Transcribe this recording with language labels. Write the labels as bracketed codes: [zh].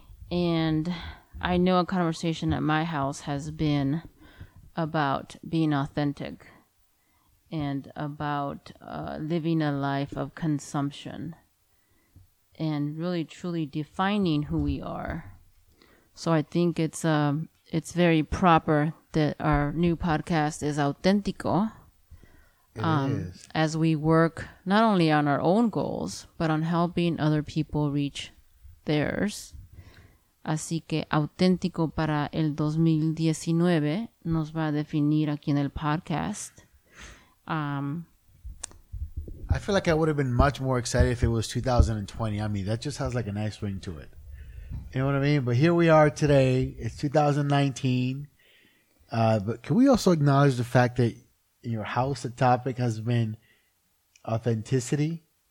[en] And I know a conversation at my house has been about being authentic and about living a life of consumption and really, truly defining who we are. So I think it's very proper that our new podcast is Authentico. As we work not only on our own goals, but on helping other people reach theirs. [es] Así que auténtico para el 2019 nos va a definir aquí en el podcast. [en] I feel like I would have been much more excited if it was 2020. I mean, that just has like a nice ring to it. You know what I mean? But here we are today. It's 2019. But can we also acknowledge the fact that in your house, the topic has been authenticity?